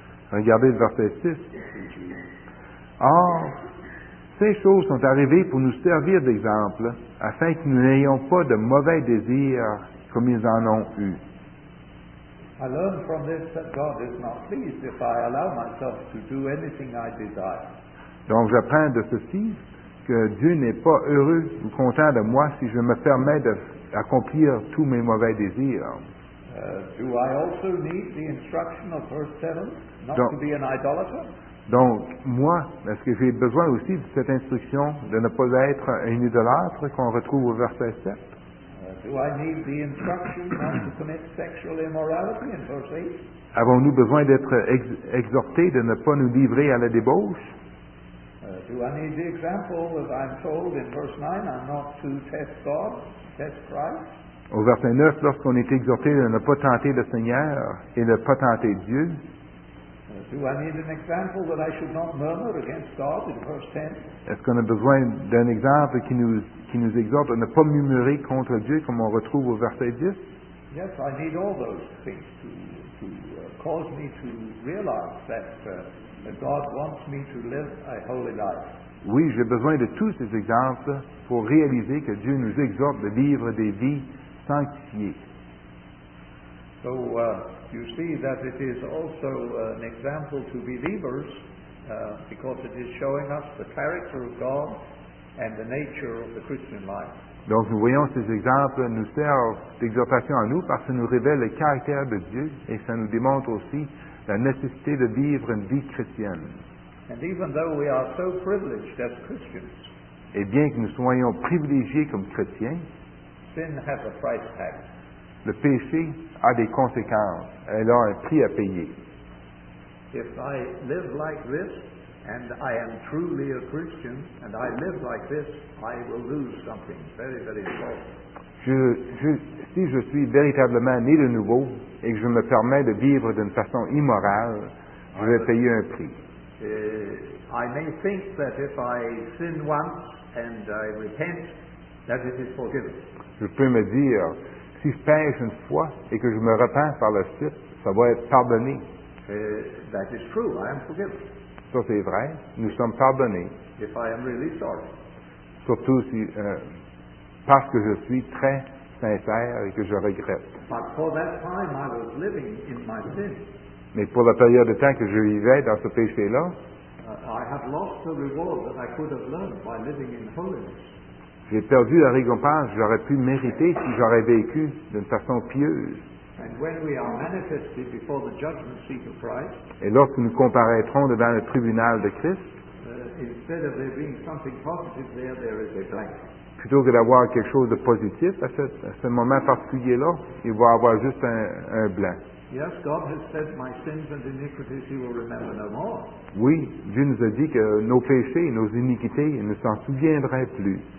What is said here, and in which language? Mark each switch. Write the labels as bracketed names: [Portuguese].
[French] Regardez le verset 6. Or, ces choses sont arrivées pour nous servir d'exemple, afin que nous n'ayons pas de mauvais désirs comme ils en ont eu. [English] I learn from this that God is not pleased if I allow myself to do anything I desire. [French] Donc, j'apprends de ceci que Dieu n'est pas heureux ou content de moi si je me permets d'accomplir tous mes mauvais désirs. [English] Do I also need the instruction of verse 7 not to be an idolater? [French] Donc, moi, est-ce que j'ai besoin aussi de cette instruction de ne pas être un idolâtre qu'on retrouve au verset 7? [English] Do I need the instruction not to commit sexual immorality in verse 8? [French] Avons-nous besoin d'être exhortés de ne pas nous livrer à la débauche? [English] Do I need the example that I'm told in verse 9, I'm not to test God, test Christ? [French] Au verset 9, lorsqu'on est exhorté de ne pas tenter le Seigneur et de ne pas tenter Dieu. [English] Do I need an example that I should not murmur against God in verse 10? [French] Est-ce qu'on a besoin d'un exemple qui nous exhorte à ne pas murmurer contre Dieu comme on retrouve au verset 10? [English] Yes, I need all those things to cause me to realize that God wants me to live a holy life. [French] Oui, j'ai besoin de tous ces exemples pour réaliser que Dieu nous exhorte de vivre des vies sanctifiées. [English] So, you see that it is also an example to believers because it is showing us the character of God and the nature of the Christian life. [French] Donc, nous voyons ces exemples nous servent d'exhortation à nous parce que ça nous révèle le caractère de Dieu et ça nous démontre aussi la nécessité de vivre une vie chrétienne. [English] And even though we are so privileged as Christians, [French] et bien que nous soyons privilégiés comme chrétiens, [English] sin has a price tag. [French] Le péché a des conséquences. Elle a un prix à payer. [English] If I live like this, and I am truly a Christian, and I live like this, I will lose something very, very important. [French] Si je suis véritablement né de nouveau et que je me permets de vivre d'une façon immorale, je vais payer un prix. [English] I may think that if I sin once and I repent, that it is forgiven. [French] Je peux me dire, si je pêche une fois et que je me repens par la suite, ça va être pardonné. [English] That is true. I am forgiven. [French] Ça, c'est vrai. Nous sommes pardonnés. [English] If I am really sorry. [French] Surtout si, parce que je suis très sincère et que je regrette. [English] But for that time, I was living in my sin. [French] Mais pour la période de temps que je vivais dans ce péché-là, [English] I have lost the reward that I could have learned by living in holiness. [French] J'ai perdu la récompense que j'aurais pu mériter si j'aurais vécu d'une façon pieuse. [English] And when we are manifested before the judgment seat of Christ, [French] et lorsque nous comparaîtrons devant le tribunal de Christ, [English] instead of there being something positive there, there is a blank. [French] Plutôt que d'avoir quelque chose de positif à ce moment particulier-là, il va avoir juste un blanc. [English] Yes, God has said, my sins and iniquities you will remember no more. [French] Oui, Dieu nous a dit que nos péchés, nos iniquités, il ne s'en souviendrait plus.